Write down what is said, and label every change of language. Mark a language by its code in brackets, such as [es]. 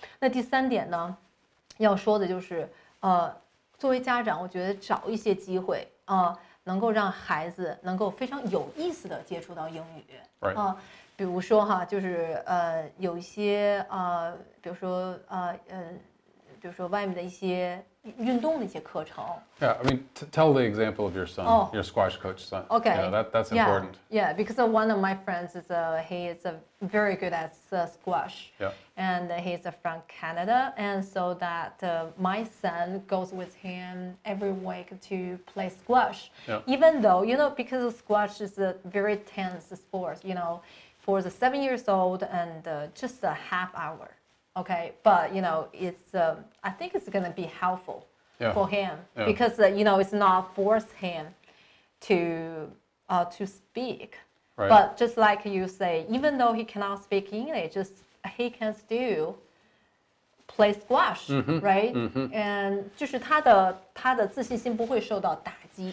[zh] 那第三点呢，要说的就是作为家长，我觉得找一些机会啊。能够让孩子能够非常有意思的接触到英语、 [en] right. [zh] 比如说哈，就是有一些比如说比如说外面的一些运动的一些课程。 [en] Yeah, I mean, tell the example of your son, your squash coach son. Okay. Yeah, that's important. Yeah, because one of my friends is very good at squash. Yeah. And he's from Canada, and so that my son goes with him every week to play squash. Yeah. Even though, you know, because squash is a very tense sport, you know, for the 7 years old and just a half hour. Okay, but you know, I think it's going to be helpful for him because you know, it's not force him to speak. Right. But just like you say, even though he cannot speak English, just he can still play squash, mm-hmm, right? Mm-hmm. [zh] And 就是他的自信心不会受到打击。